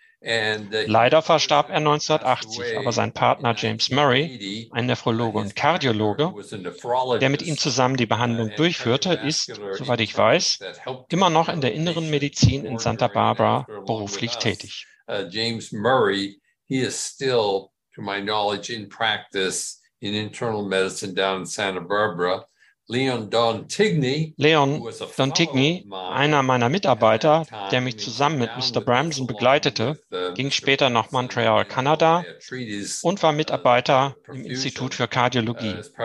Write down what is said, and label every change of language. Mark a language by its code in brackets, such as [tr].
[de] Leider verstarb er 1980, aber sein Partner James Murray, ein Nephrologe und Kardiologe, der mit ihm zusammen die Behandlung durchführte, ist, soweit ich weiß, immer noch in der inneren Medizin in Santa Barbara beruflich tätig. [en] James Murray, he is still, to my knowledge, in practice in internal medicine down in Santa Barbara. [de] Leon Dantigny, einer meiner Mitarbeiter, der mich zusammen mit Mr. Bramson begleitete, ging später nach Montreal, Kanada und war Mitarbeiter im Institut für Kardiologie.